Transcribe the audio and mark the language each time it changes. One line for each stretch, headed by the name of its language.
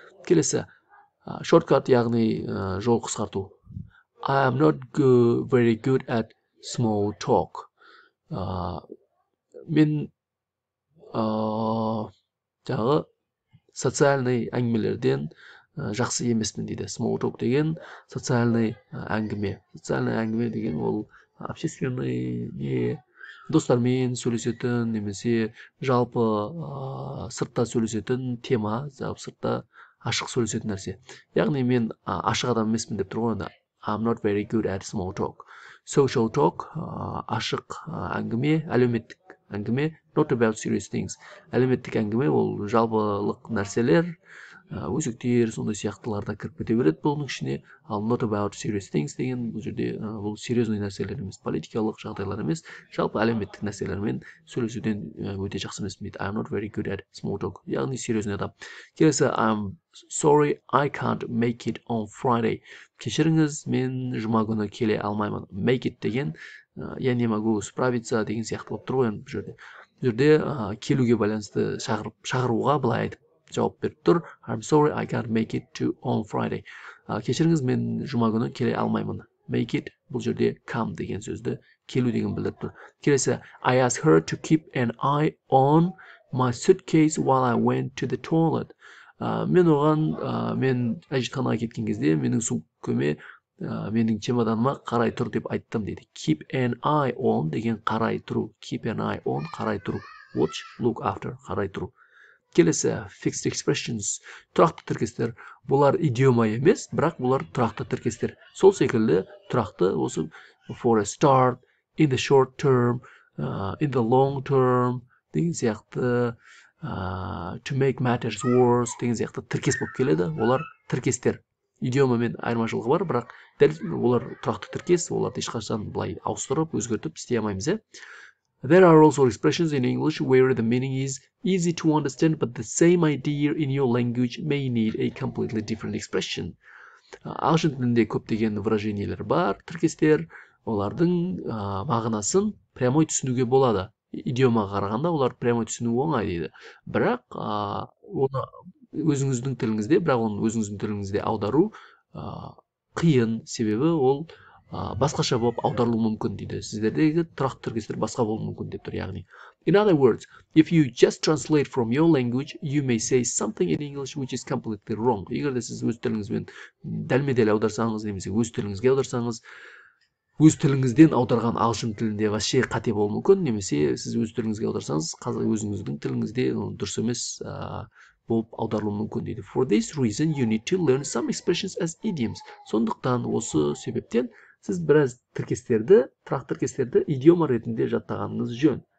Kazakh: Келесі,
English: short cut,
Kazakh: яғни жол қысқарту.
English: I am not very good at small talk.
Kazakh: Мен жағы социальный әңгімелерден жақсы емеспін дейді. Small talk деген социальный әңгіме. Социальный әңгіме деген ол общественный не достармен сөйлесетін, немесе жалпы сыртта сөйлесетін тема, сыртта ашық сөйлесетін нәрсе. Яғни мен ашық адам емеспін деп тұрған да.
English: I'm not very good at small talk. Social talk,
Kazakh: ашық әңгіме, әлеуметтік әңгіме,
English: not about serious things.
Kazakh: Әлеметтік әңгіме ол жалпылық нәрселер, өзіктер, сонда сияқтыларда кіріп кете береді бұлының ішіне. Ал
English: not about serious things
Kazakh: деген бұл жерде бұл серьезный нәрселер емес, политикалық жағдайлар емес, жалпы әлеметтік нәрселермен сөйлесуден өте жақсы емес.
English: I'm not very good at small talk.
Kazakh: Яғни серьезный адам. Келесі,
English: I'm sorry, I can't make it on Friday.
Kazakh: Кешіріңіз, мен жұма күні келе алмаймын.
English: Make it
Kazakh: деген
Russian: я не могу справиться
Kazakh: деген сияқты болып тұр ғой бұл жерде. Бұл жерде келуге байланысты шақыруға былай айтып жауап беріп тұр.
English: I'm sorry, I can't make it to on Friday.
Kazakh: Кешіріңіз, мен жұма күні келе алмаймын.
English: Make it
Kazakh: бұл жерде come деген сөзді келу деген білдіріп тұр. Келесі,
English: I asked her to keep an eye on my suitcase while I went to the toilet.
Kazakh: Мен оған, мен әжетханаға кеткен кезде менің сөмкеме, менің чемоданыма қарай тұр деп айттым дейді.
English: Keep an eye on
Kazakh: деген қарай тұру.
English: Keep an eye on
Kazakh: қарай тұру.
English: Watch, look after
Kazakh: қарай тұру. Келесі,
English: fixed expressions.
Kazakh: Тұрақты тіркестер. Бұлар идиома емес, бірақ бұлар тұрақты тіркестер. Сол секілді тұрақты осы
English: for a start, in the short term, in the long term
Kazakh: деген сияқты,
English: to make matters worse
Kazakh: деген сияқты тіркес болып келеді. Олар тіркестер. Идиома мен айырмашылығы бар, бірақ дәл олар тұрақты тіркес, оларды ешқашан былай ауыстырып, өзгертіп істей алмаймыз.
English: There are also expressions in English where the meaning is easy to understand, but the same idea in your language may need a completely different expression.
Kazakh: Ағылшын тілінде көптеген выражениелер бар, тіркестер, олардың мағынасын прямой түсінуге болады. Идиомаға қарағанда олар прямой түсінуі оңай дейді. Бірақ оны өзіңіздің тіліңізде аудару қиын, себебі ол басқаша болып аударылуы мүмкін дейді. Сіздердегі тұрақты тіркестер басқа болуы мүмкін деп тұр, яғни.
English: In other words, if you just translate from your language, you may say something in English which is completely wrong.
Kazakh: Егер де сіз өз тіліңізбен дәлме-дәл аударсаңыз, немесе өз тіліңізге аударсаңыз, өз тіліңізден аударған ағылшын тілінде вообще қате болуы мүмкін, немесе сіз өз тіліңізге аударсаңыз, қазір өзіңіздің тіліңізде дұрыс емес болып аударылуы мүмкін дейді.
English: For this reason, you need to learn some expressions as idioms.
Kazakh: Сондықтан осы себептен сіз біраз тіркестерді, тұрақты тіркестерді идиома ретінде жаттағаныңыз жөн.